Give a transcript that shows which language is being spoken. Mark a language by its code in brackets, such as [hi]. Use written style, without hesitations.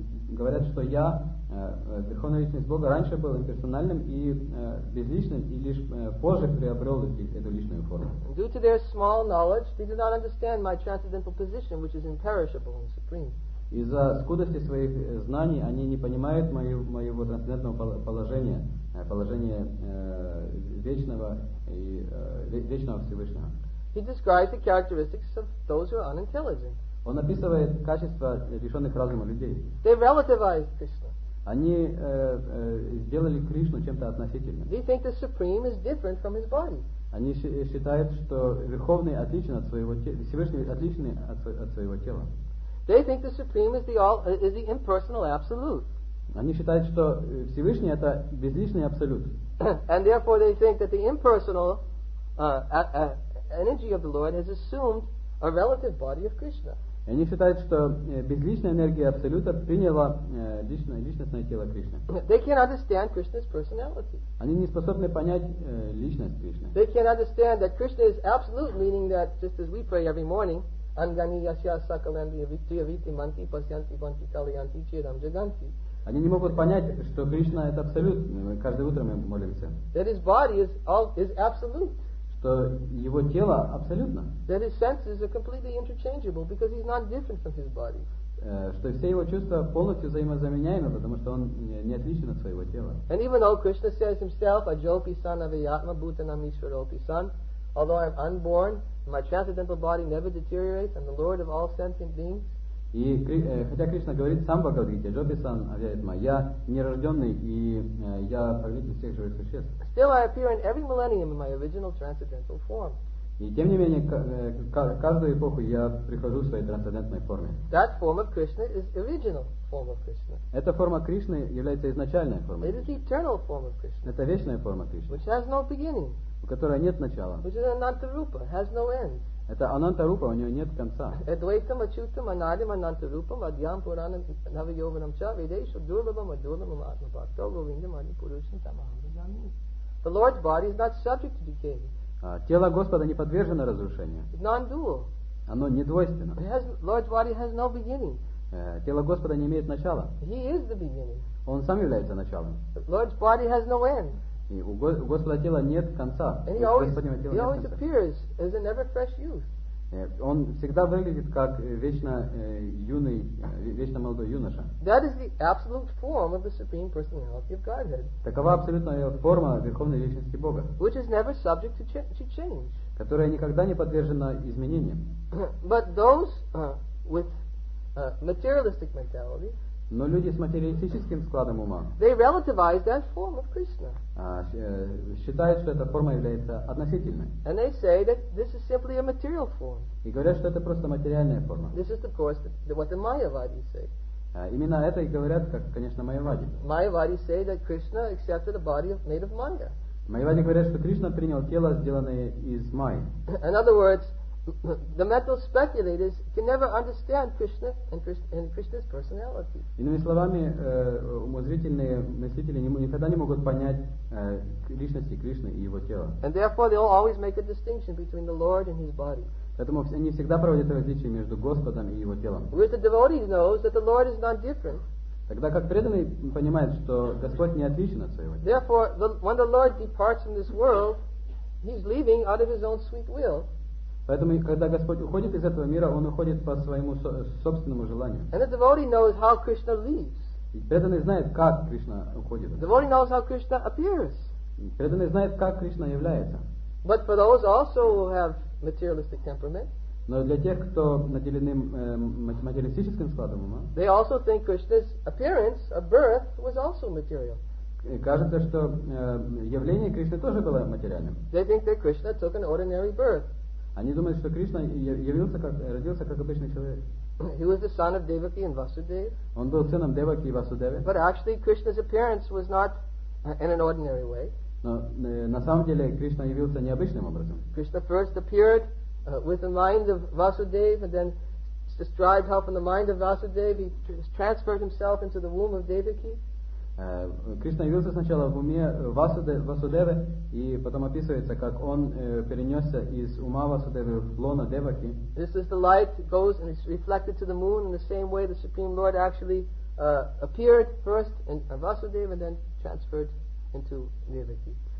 [ru] Говорят, что я, Верховная Личность Бога, раньше был имперсональным и безличным, и лишь позже приобрел эту личную форму. [en] Due to their small knowledge, they do not understand my transcendental position, which is imperishable and supreme. [ru] Из-за скудости своих знаний они не понимают моего трансцендентного положения, положения вечного и вечного Всевышнего. [en] He describes the characteristics of those who are unintelligent. [ru] Он описывает качества лишенных разума людей. [en] They relativized Krishna. [ru] Они сделали Кришну чем-то относительным. [en] They think the Supreme is different from his body. [ru] Они считают, что Верховный отличен от своего тела, Всевышний отличен от своего тела. [en] They think the Supreme is the impersonal absolute. [ru] Они считают, что Всевышний это безличный абсолют. [en] And therefore they think that the impersonal energy of the Lord has assumed a relative body of Krishna. [ru] Они считают, что безличная энергия абсолюта приняла личностное тело Кришны. [en] They can't understand Krishna's personality. [ru] Они не способны понять личность Кришны. [en] They can't understand that Krishna is absolute, meaning that just as we pray every morning, [sa] Angani yasya sakalendi vityaviti manti pasyanti vanti kalyanti chiram jaganti. [ru] Они не могут понять, что Кришна это абсолют. Каждое утро мы молимся. [en] That his body is all is absolute. [ru] Что его тело абсолютно. [en] That his senses are completely interchangeable because he's not different from his body. [ru] Что все его чувства полностью взаимозаменяемы, потому что он не отличен от своего тела. [en] And even though Krishna says himself, [sa] Ajopi san avyatma bhutanam ishwaropi san, [en] although I'm unborn, my transcendental body never deteriorates, I'm the Lord of all sentient beings. [ru] И хотя Кришна говорит сам в Бхагавад-гите, [sa] Ajopi san avyatma, [ru] я нерожденный и я правитель всех живых существ. [en] Still I appear in every millennium in my original transcendental form. [ru] И тем не менее, каждую эпоху я прихожу в своей трансцендентной форме. [en] That form of Krishna is original form of Krishna. [ru] Эта форма Кришны является изначальной формой. [en] It is the eternal form of Krishna. [ru] Это вечная форма Кришны. [en] Which has no beginning. [ru] У которой нет начала. [en] Which is ananta-rupa, has no end. [ru] Это ананта-рупа, у нее нет конца. [sa] Эдвайтам ачутам анадим ананта-рупам адьям пуранам навийованам ча видейшу дурлабам адурлабам атмапакто говиндам ани пурушам тамахам бижамин. [en] The Lord's body is not subject to decay. [ru] Тело Господа не подвержено разрушению. [en] It's non-dual. [ru] Оно недвойственно. [en] Lord's body has no beginning. [ru] Тело Господа не имеет начала. [en] He is the beginning. [ru] Он сам является началом. [en] Lord's body has no end. [ru] И у Господа тела нет конца. [en] And he always appears as a never fresh youth. [ru] Он всегда выглядит как вечно юный, вечно молодой юноша. [en] That is the absolute form of the Supreme Personality of Godhead. [ru] Такова абсолютная форма Верховной Личности Бога. [en] Which is never subject to change. [ru] Которая никогда не подвержена изменениям. [en] But those with materialistic mentality. [ru] Но люди с материалистическим складом ума. [en] They relativize that form of Krishna. [ru] Считают, что эта форма является относительной. [en] And they say that this is simply a material form. [ru] И говорят, что это просто материальная форма. [en] This is, of course, what the Mayavadis say. [ru] Именно это и говорят, как, конечно, Майявади. [en] Mayavadis say that Krishna accepted a body made of Maya. [ru] Майявади говорят, что Кришна принял тело, сделанное из майи. [en] In other words, the mental speculators can never understand Krishna and Krishna's personality. [ru] Иными словами, умозрительные мыслители никогда не могут понять личности Кришны и его тела. [en] And therefore, they always make a distinction between the Lord and His body. [ru] Поэтому они всегда проводят различие между Господом и его телом. [en] Whereas the devotee knows that the Lord is not different. [ru] Тогда как преданный понимает, что Господь не отличен от своего тела. [en] Therefore, when the Lord departs from this world, He's leaving out of His own sweet will. [ru] Поэтому, когда Господь уходит из этого мира, Он уходит по своему собственному желанию. [en] And the devotee knows how Krishna leaves. [ru] И преданный знает, как Кришна уходит. [en] The devotee knows how Krishna appears. [ru] И преданный знает, как Кришна является. [en] But for those also who have materialistic temperament, [ru] но для тех, кто наделены материалистическим складом ума, [en] they also think Krishna's appearance of birth was also material. [ru] И кажется, что явление Кришны тоже было материальным. [en] They think that Krishna took an ordinary birth. [ru] Они думают, что Кришна явился как, родился как обычный человек. [en] He was the son of Devaki and Vasudeva. [ru] Он был сыном Деваки и Васудевы. [en] But actually, Krishna's appearance was not in an ordinary way. [ru] Но на самом деле Кришна явился необычным образом. [en] Krishna first appeared with the mind of Vasudeva, and then, described how from the mind of Vasudeva, he transferred himself into the womb of Devaki. [ru] Кришна явился сначала в уме Васудевы, и потом описывается, как он перенесся из ума Васудевы в лоно Деваки. [en] This is the light that goes and is reflected to the moon in the same way the Supreme Lord actually appeared first in Vasudeva and then transferred into Devaki.